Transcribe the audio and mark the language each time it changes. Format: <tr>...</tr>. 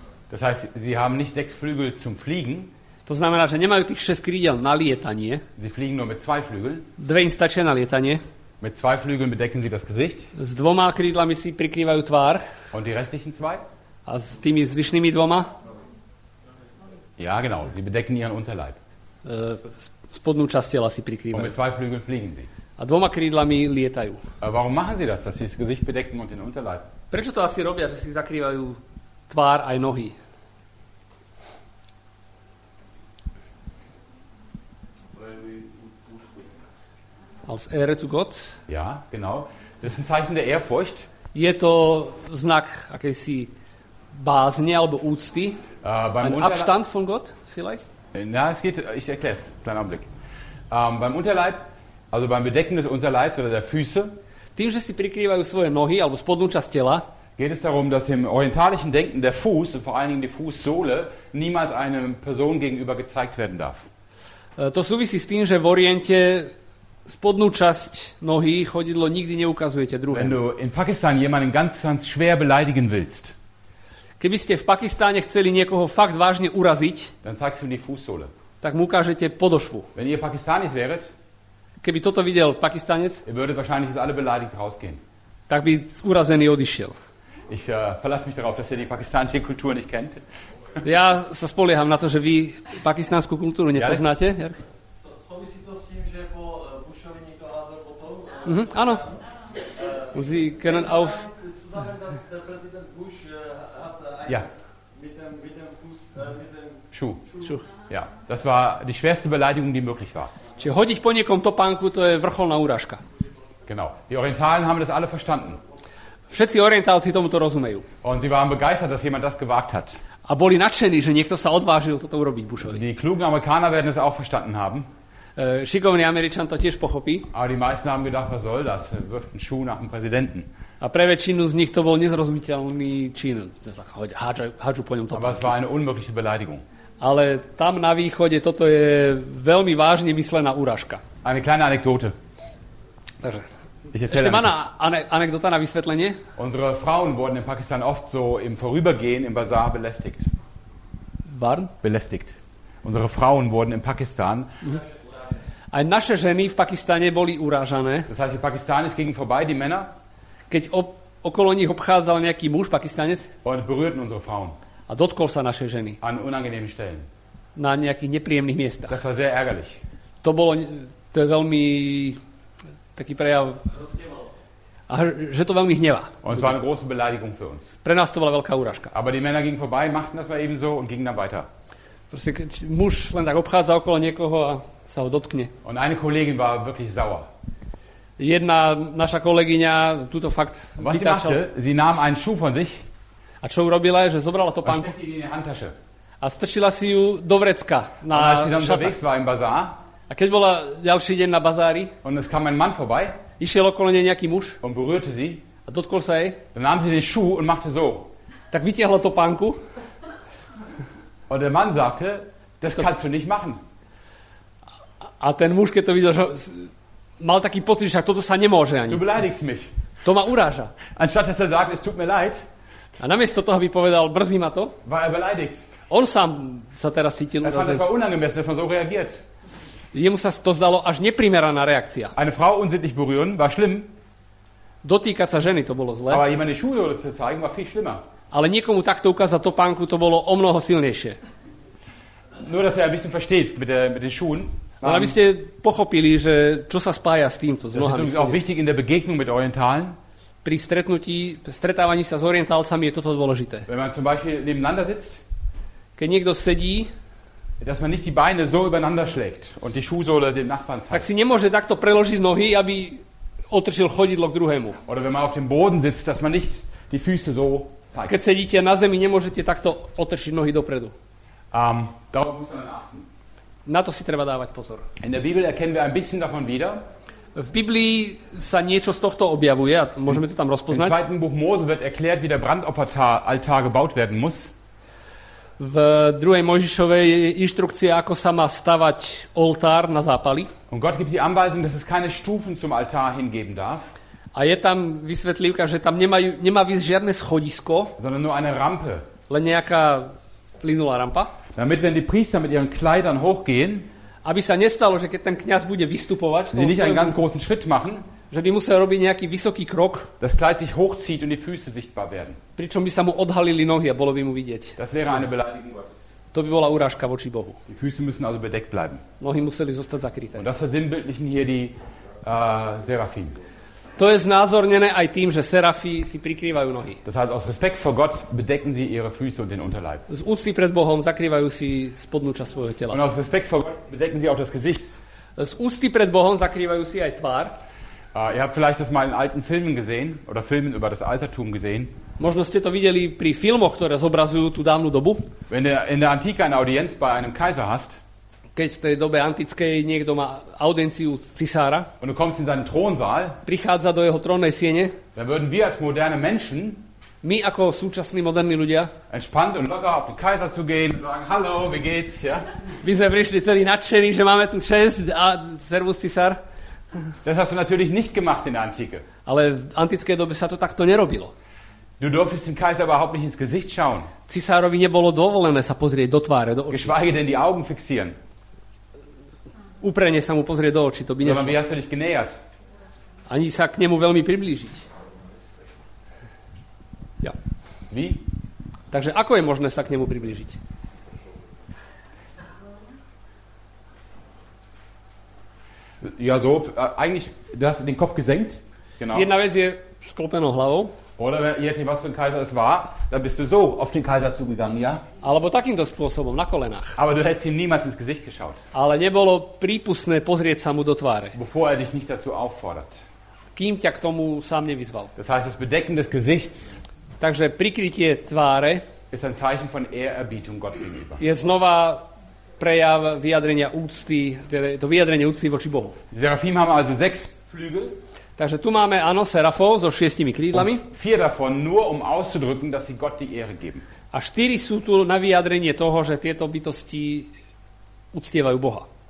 <de>Das heißt, sie haben nicht 6 Flügel zum Fliegen.</de> <sk>To znamená, že nemajú tých 6 krídel na lietanie.</sk> <de>Sie fliegen nur mit 2 Flügeln.</de> <sk>Dve im stačia na lietanie.</sk> <de>Mit 2 Flügeln bedecken sie das Gesicht.</de> <sk>S dvoma krídlami si prikrývajú tvár.</sk> <de>Und die restlichen 2?</de> <sk>A s tými zvyšnými dvoma?</sk> <de>Ja, genau. Sie bedecken ihren Unterleib.</de> <sk>Spodnú časť tela si prikrývajú.</sk> <de>Mit zwei Flügeln fliegen sie.</de> <sk>A dvoma krídlami lietajú.</sk> <de>Warum machen sie das, dass sie das Gesicht bedecken und den Unterleib?</de> <sk>Prečo to asi robia, že si zakrývajú tvár aj nohy?</sk> <de>Als Ehre zu Gott. Ja, genau. Das ist ein Zeichen der Ehrfurcht.</de> <sk>Je to znak akejsi bázne alebo úcty.</sk> <de>Ein Abstand von Gott vielleicht? Na, es geht, ich erkläre es, kleiner Blick. Beim Unterleib, also beim Bedecken des Unterleibs oder der Füße,</de> <sk>tým, že si prikrývajú svoje nohy alebo spodnú časť tela,</sk> <de>geht es darum, dass im orientalischen Denken der Fuß und vor allen Dingen die Fußsohle niemals einem Person gegenüber gezeigt werden darf.</de> <sk>To súvisí s tým, že v Oriente spodnú časť nohy, chodidlo nikdy neukazujete druhému.</sk> <de>Wenn du in Pakistan jemanden ganz, ganz schwer beleidigen willst,</de> <sk>Keby ste v Pakistáne chceli niekoho fakt vážne uraziť,</sk> <de>dann zeigst du ihm die Fußsohle.</de> <sk>Tak mu ukážete podošvu.</sk> <de>Wenn ihr Pakistanis wäret,</de> <sk>keby toto videl Pakistanec,</sk> <de>ihr würdet wahrscheinlich alle beleidigt rausgehen.</de> <sk>Tak by urazený odišiel.</sk> <de>Ich verlasse mich darauf, dass ihr die pakistanische Kultur nicht kennt.</de> <sk>Ja sa spolieham na to, že vy pakistanskú kultúru nepoznáte. Ja, súvisí to s tým, že po Bushovi niekto házal botou?</sk> <de>Áno. Sie können auf... Zusammen, dass der Präsident Bush hat einen ja. mit dem Fuß, mit dem Schuh. Schuh. Ja, das war die schwerste Beleidigung, die möglich war.</de> <sk>Čiže hodiť po niekom topánku, to je vrcholná úražka.</sk> <de>Genau. Die Orientalen haben das alle verstanden.</de> <sk>Všetci Orientálci tomu to rozumejú.</sk> <de>Und sie waren begeistert, dass jemand das gewagt hat.</de> <sk>A boli nadšení, že niekto sa odvážil toto urobiť Bushovi.</sk> <de>Die klugen Amerikaner werden es auch verstanden haben.</de> <sk>Šikovný Američan to tiež pochopí.</sk> <de>Aber die meisten haben gedacht, was soll das? Wirft einen Schuh nach dem Präsidenten.</de> <sk>A pre väčšinu z nich to bol nezrozumiteľný čin. Hádžu po ňom to.</sk> <de>Aber es war eine unmögliche Beleidigung.</de> <sk>Ale tam na východe toto je veľmi vážne myslená úražka.</sk> <de>Eine kleine Anekdote.</de> <sk>Takže. Ešte má anekdota na vysvetlenie.</sk> <de>Unsere Frauen wurden in Pakistan oft so im Vorübergehen im Bazar belästigt. Waren? Belästigt. Unsere Frauen wurden in Pakistan...</de> <sk>Aj naše ženy v Pakistane boli urážané.</sk> <de>Das heißt, Pakistanis gingen vorbei, die Männer.</de> <sk>Keď okolo nich obchádzal nejaký muž, Pakistanec.</sk> <de>Und berührten unsere Frauen.</de> <sk>A dotkol sa naše ženy.</sk> <de>An unangenehmen Stellen.</de> <sk>Na nejakých nepríjemných miestach.</sk> <de>Das war sehr ärgerlich.</de> <sk>To je veľmi... taký prejav... A že to veľmi hnevá.</sk> <de>Und es war eine große Beleidigung für uns.</de> <sk>Pre nás to bola veľká úražka.</sk> <de>Aber die Männer gingen vorbei, machten das mal eben so und gingen dann weiter.</de> <sk>Proste, keď muž len tak obchádza okolo niekoho a sa ho dotkne.</sk> <de>Und eine Kollegin war wirklich sauer.</de> <sk>Jedna naša kolegyňa túto fakt vytáčala.</sk> <de>Sie nahm einen Schuh von sich.</de> <sk>A čo urobila je, že zobrala topánku. A strčila si ju do vrecka na šata. A keď bola ďalší deň na bazári,</sk> <de>und es kam ein Mann vorbei,</de> <sk>išiel okolo nej nejaký muž</sk> <de>und berührte sie,</de> <sk>a dotkol sa jej.</sk> <de>Dann nahm sie den Schuh und machte so.</de> <sk>Tak vytiahla topánku.</sk> <de>Und der Mann sagte, das kannst du nicht machen.</de> <sk>A ten muž, keď to videl, že mal taký pocit, že toto sa nemôže ani.</sk> <de>Du beleidigst mich.</de> <sk>To ma uráža.</sk> <de>Anstatt dass er sagt, es tut mir leid.</de> <sk>A namiesto toho by povedal, brzí ma to.</sk> <de>War er beleidigt.</de> <sk>On sám sa teraz cítil urazený.</sk> <de>Das war unangemessen, dass man so reagiert.</de> <sk>Jemu sa to zdalo až neprimeraná reakcia.</sk> <de>Eine Frau unsittlich berühren war schlimm.</de> <sk>Dotýkať sa ženy, to bolo zlé.</sk> <de>Aber jemand die Schuhe zu zeigen war viel schlimmer.</de> <sk>Ale niekomu takto ukázať topánku, to bolo o mnoho silnejšie.</sk> <de>Nur, dass er ein bisschen versteht mit den Schuhen.</de> <sk>Ale aby ste pochopili, že čo sa spája s týmto, s nohami.</sk> <de>Das ist auch wichtig in der Begegnung mit Orientalen.</de> <sk>Pri stretnutí, stretávaní sa s Orientálcami je toto dôležité.</sk> <de>Wenn man zum Beispiel nebeneinander sitzt,</de> <sk>keď niekto sedí,</sk> <de>dass man nicht die Beine so übereinander schlägt und die Schuhsohle dem Nachbarn zeigt.</de> <sk>Tak si nemôže takto preložiť nohy, aby otrčil chodidlo k druhému.</sk> <de>Oder wenn man auf dem Boden sitzt, dass man nicht die Füße so zeigt.</de> <sk>Keď sedíte na zemi, nemôžete takto otrčiť nohy dopredu.</sk> <de>Darauf muss man achten.</de> <sk>Na to si treba dávať pozor.</sk> <de>In der Bibel erkennen wir ein bisschen davon wieder.</de> <sk>V Biblii sa niečo z tohto objavuje, a môžeme to tam rozpoznať.</sk> <de>Im zweiten Buch Mose wird erklärt, wie der Brandopferaltar gebaut werden muss.</de> <sk>V druhej Mojžišovej je inštrukcia, ako sa má stavať oltár na zápali.</sk> <de>Und Gott gibt die Anweisung, dass es keine Stufen zum Altar hingeben darf.</de> <sk>A je tam vysvetlivka, že tam nemá vysť žiadne schodisko,</sk> <de>sondern nur eine Rampe.</de> <sk>Len nejaká plynulá rampa.</sk> <de>Damit wenn die Priester mit ihren Kleidern hochgehen,</de> <sk>aby sa nestalo, že keď ten kňaz bude vystupovať,</sk> <de>sie nicht einen ganz großen Schritt machen,</de> <sk>že by musel robiť nejaký vysoký krok,</sk> <de>das Kleid sich hochzieht und die Füße sichtbar werden.</de> <sk>Pričom by sa mu odhalili nohy a bolo by mu vidieť.</sk> <de>Das wäre eine Beleidigung Gottes.</de> <sk>To by bola urážka voči Bohu.</sk> <de>Die Füße müssen also bedeckt bleiben.</de> <sk>Nohy museli zostať zakryté.</sk> <de>Und das sind bildlich hier die Seraphim.</de> <sk>To je znázornené aj tým, že serafy si prikrývajú nohy.</sk> <de>Das heißt, aus Respekt vor Gott bedecken sie ihre Füße und den Unterleib.</de> <sk>Z úcty pred Bohom zakrývajú si spodnú časť svojho tela.</sk> <de>Und aus Respekt vor Gott bedecken sie auch das Gesicht.</de> <sk>Z úcty pred Bohom zakrývajú si aj tvár.</sk> <de>Ihr habt vielleicht das mal in alten Filmen gesehen oder Filmen über das Altertum gesehen.</de> <sk>Možno ste to videli pri filmoch, ktoré zobrazujú tú dávnu dobu.</sk> <de>Wenn du in der Antike eine Audienz bei einem Kaiser hast,</de> <sk>keď v tej dobe antickej niekto má audienciu cisára,</sk> <de>und du kommst in seinen Thronsaal,</de> <sk>prichádza do jeho trónnej siene,</sk> <de>dann würden wir als moderne Menschen,</de> <sk>my ako súčasní moderní ľudia,</sk> <de>entspannt und locker auf den Kaiser zu gehen und sagen, hallo, wie geht's, ja?</de> <sk>By sme prišli celý nadšení, že máme tu čest a servus cisár.</sk> <de>Das hast du natürlich nicht gemacht in der Antike.</de> <sk>Ale v antickej dobe sa to takto nerobilo.</sk> <de>Du durftest dem Kaiser überhaupt nicht ins Gesicht schauen.</de> <sk>Cisárovi nebolo dovolené sa pozrieť do tváre, do očí.</sk> <de>Geschweige denn die Augen fixieren.</de> <sk>Uprene sa mu pozrieť do očí, to by nešlo.</sk> <de>Aber wie hast du dich genähert?</de> <sk>Ani sa k nemu veľmi priblížiť.</sk> <de>Ja. Wie?</de> <sk>Takže ako je možné sa k nemu priblížiť?</sk> <de>Ja, so, eigentlich, du hast den Kopf gesenkt. Genau.</de> <sk>Jedna vec je sklopenou hlavou.</sk> <de>Oder wenn ihr etwas von Kaiser es war, dann bist du so auf den Kaiser zugegangen, ja?</de> <sk>Alebo takýmto spôsobom, na kolenách.</sk> <de>Aber du hättest ihm niemals ins Gesicht geschaut.</de> <sk>Ale nebolo prípustné pozrieť sa mu do tváre.</sk> <de>Bevor er dich nicht dazu auffordert.</de> <sk>Kým ťa k tomu sám nevyzval.</sk> <de>Das heißt, das Bedecken des Gesichts.</de> <sk>Takže prikrytie tváre</sk> <de>ist ein Zeichen von Ehrerbietung Gott gegenüber.</de> <sk>Je znova prejav vyjadrenia úcty, to vyjadrenie úcty voči Bohu.</sk> <de>Serafim haben also 6 Flügel.</de> <sk>Takže tu máme ano Serafo so 6 krídlami.</sk> <de>Vier davon nur um auszudrücken, dass sie Gott die Ehre geben.</de> <sk>A 4 sú tu na vyjadrenie toho, že tieto bytosti uctievajú Boha.</sk>